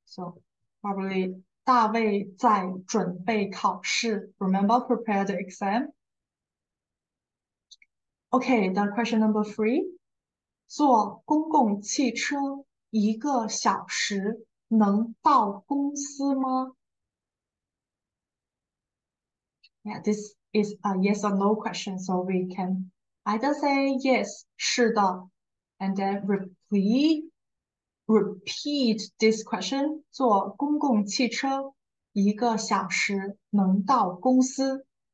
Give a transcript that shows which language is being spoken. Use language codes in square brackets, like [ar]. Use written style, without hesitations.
[en] So probably [zh] 大卫在准备考试, [en] remember, prepare the exam. Okay, the question number three. [zh] 坐公共汽车一个小时能到公司吗? [en] Yeah, this is a yes or no question, so we can either say yes, [zh] 是的, [en] and then repeat this question. [zh] 坐公共汽车一个小时能到公司?